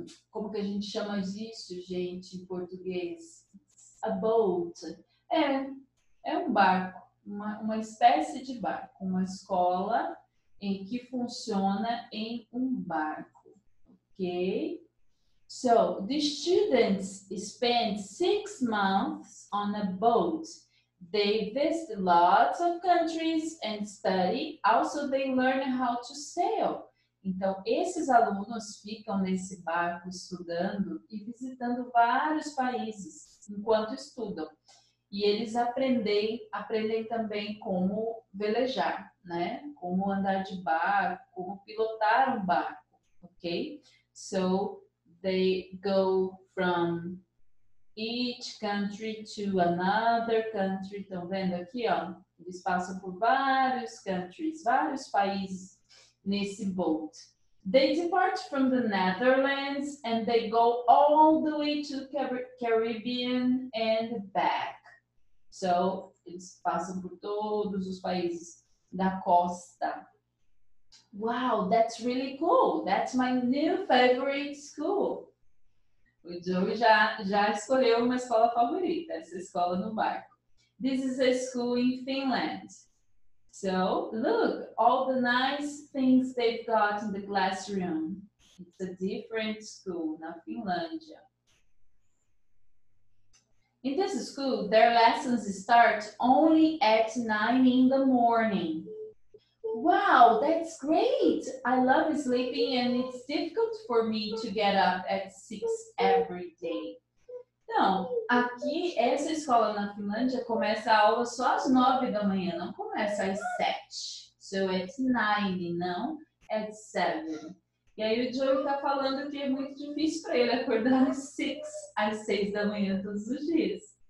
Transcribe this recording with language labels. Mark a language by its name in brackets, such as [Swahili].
[Portuguese] como que a gente chama isso, gente, em português? [English] A boat. [Portuguese] É um barco, uma espécie de barco, uma escola em que funciona em um barco, ok? [English] So, the students spend 6 months on a boat. They visit lots of countries and study. Also, they learn how to sail. [Portuguese] Então, esses alunos ficam nesse barco estudando e visitando vários países enquanto estudam. E eles aprendem também como velejar, né? Como andar de barco, como pilotar um barco, ok? [English] So, they go from each country to another country. [Portuguese] Estão vendo aqui, ó? Eles passam por vários countries, vários países nesse boat. [English] They depart from the Netherlands and they go all the way to Caribbean and back. [Portuguese] So, eles passam por todos os países da costa. [English] Wow, that's really cool. That's my new favorite school. [Portuguese] O Joe já escolheu uma escola favorita, essa escola no bairro. [English] This is a school in Finland. So, look, all the nice things they've got in the classroom. It's a different school [Portuguese] na Finlândia. [English] In this school, their lessons start only at 9 in the morning. Wow, that's great! I love sleeping and it's difficult for me to get up at 6 every day. [Portuguese] Não, aqui essa escola na Finlândia começa a aula só às 9 da manhã, não começa às 7. [English] So it's 9, não at 7. [Portuguese] E aí o Joe tá falando que é muito difícil para ele acordar às 6 da manhã todos os dias.